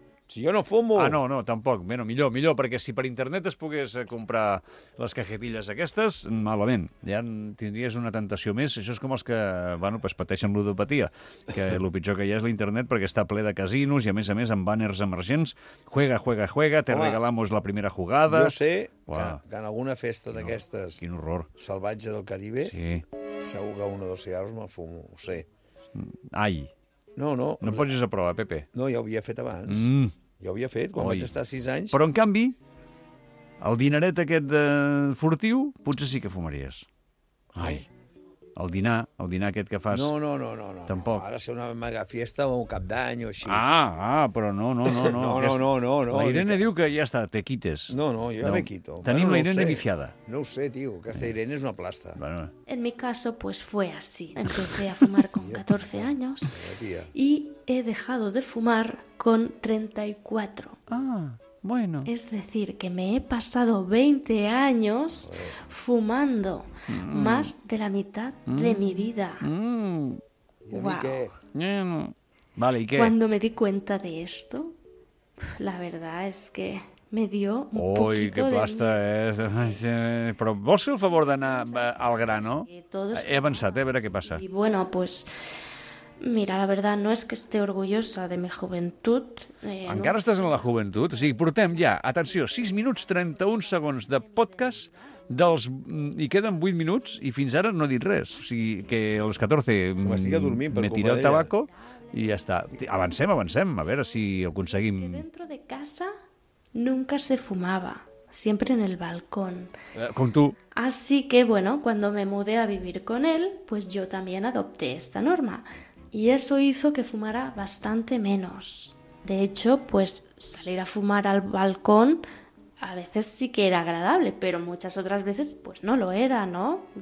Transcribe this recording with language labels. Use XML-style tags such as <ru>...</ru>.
<ca>Si jo no fumo... Ah, no, tampoc. Bueno, millor, perquè si per internet es pogués comprar les cajetilles aquestes, malament. Ja tindries una tentació més. Això és com els que, bueno, pues pateixen ludopatia, que el pitjor que hi ha és l'internet, perquè està ple de casinos i, a més, amb banners emergents.</ca> <es>Juega, te regalamos la primera jugada...</es> <ca>Jo sé que en alguna festa d'aquestes... Quin horror. Salvatge del Caribe, sí. Segur que un o dos cigarros me'l fumo, ho sé. Ai... No. No posis a prova, Pepe. No, ja ho havia fet abans. Mm. Ja ho havia fet, quan vaig estar 6 anys. Però, en canvi, el dineret aquest de furtiu, potser sí que fumaries. Ai. El dinar aquest que fas... No. Tampoc. No. Ha de ser una mega festa o un cap d'any o així. Ah, però no. No. La Irene diu que ja està,</ca> <es>te quites. No, me quito.</es> <ca>Tenim no la Irene viciada. No ho sé, tio, aquesta Irene és una plasta. Bueno.</ca> <es>En mi caso, pues fue así. Empecé a fumar con 14 años y he dejado de fumar con 34. Ah, bueno. Es decir, que me he pasado 20 años fumando más de la mitad de mi vida. ¿Y a mí qué? Vale, ¿y qué? Cuando me di cuenta de esto, la verdad es que me dio un poquito de... ¡Uy, qué plasta es!</es> <ca>Però vols fer el favor d'anar al grano? He avançat, a veure què passa.</ca> <es>Y bueno, pues... Mira, la verdad, no es que esté orgullosa de mi juventud.</es> <ca>Encara estàs en la juventud? O sigui, portem ja, atenció, 6 minuts 31 segons de podcast, i queden 8 minuts i fins ara no he dit res. O sigui, que a les 14 m'he tirat el tabaco i ja està. Avancem, a veure si ho aconseguim.</ca> <es>Es que dentro de casa nunca se fumaba. Siempre en el balcón. Con tú. Así que, bueno, cuando me mudé a vivir con él, pues yo también adopté esta norma. Y eso hizo que fumara bastante menos. De hecho, pues salir a fumar al balcón a veces sí que era agradable, pero muchas otras veces pues no lo era, ¿no?</es>